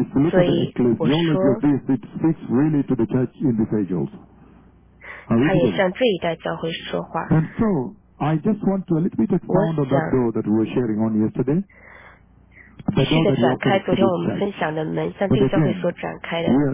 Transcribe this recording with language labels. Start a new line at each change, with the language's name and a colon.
Chinese: 所以我说，他也向这一代教会说话。
English: I just want to a little bit expand on that door that we were sharing on yesterday.
Chinese: 试着展开昨天我们分享的门，像这个教会所展开的。